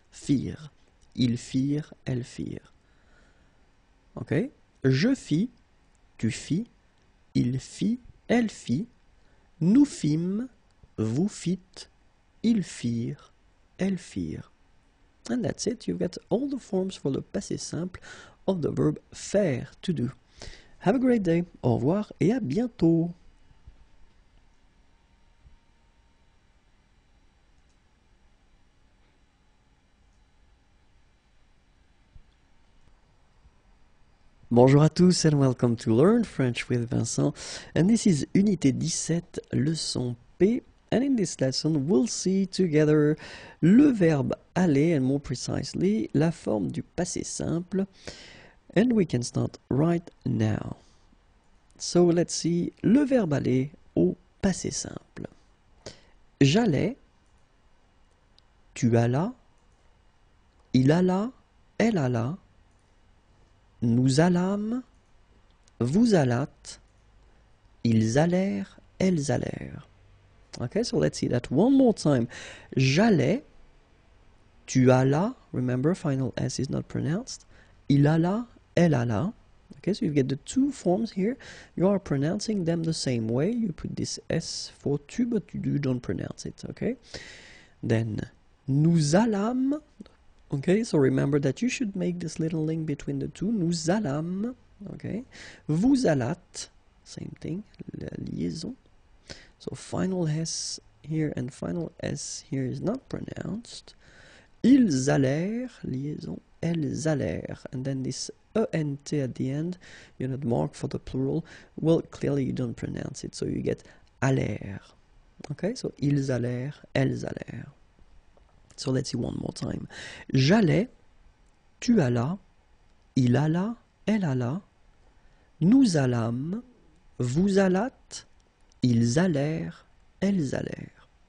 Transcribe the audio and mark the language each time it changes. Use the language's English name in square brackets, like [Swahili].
[French] Firent. Ils firent, elles firent. Okay. Je fis. Tu fis. Il fit, elle fit. Nous fîmes. Vous fîtes, ils firent, elles firent. [English] And that's it, you've got all the forms for the passé simple of the verb faire, to do. Have a great day, [French] au revoir et à bientôt. Bonjour à tous [English] and welcome to Learn French with Vincent. And this is Unité 17, Leçon P. And in this lesson, we'll see together [French] le verbe aller, [English] and more precisely, [French] la forme du passé simple. [English] And we can start right now. So let's see [French] le verbe aller au passé simple. J'allais, tu allas, il alla, elle alla, nous allâmes, vous allâtes, ils allèrent, elles allèrent. [English] Okay, so let's see that one more time. [French] J'allais, tu allas, [English] remember, final S is not pronounced. [French] Il alla, elle alla. [English] Okay, so you get the two forms here. You are pronouncing them the same way. You put this S for tu, but you don't pronounce it, okay? Then, [French] nous allâmes, [English] Okay, so remember that you should make this little link between the two. [French] Nous allâmes, [English] okay. [French] Vous allâtes, [English] same thing, [French] la liaison. [English] So final S here and final S here is not pronounced. [French] Ils allèrent, liaison, elles allèrent. [English] And then this ENT at the end, you know, the mark for the plural. Well, clearly you don't pronounce it, so you get allèrent. Okay, so [French] ils allèrent, elles allèrent. [English] So let's see one more time. [French] J'allais, tu allas, il alla, elle alla, nous allâmes, vous allâtes, ils allèrent, elles allèrent.